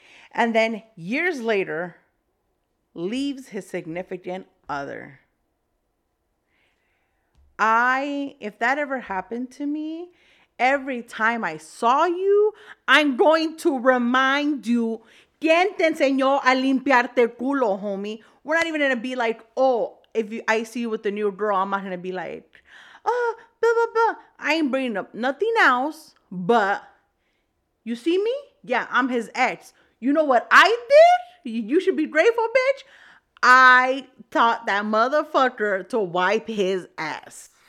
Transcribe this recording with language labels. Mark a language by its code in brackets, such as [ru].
[en] And then years later, leaves his significant other. If that ever happened to me, every time I saw you, I'm going to remind you. [es] ¿Quién te enseñó a limpiarte el culo, homie? [en] We're not even going to be like, oh, I see you with the new girl, I'm not going to be like, oh, blah, blah, blah. I ain't bringing up nothing else, but you see me? Yeah, I'm his ex. You know what I did? You should be grateful, bitch. I taught that motherfucker to wipe his ass.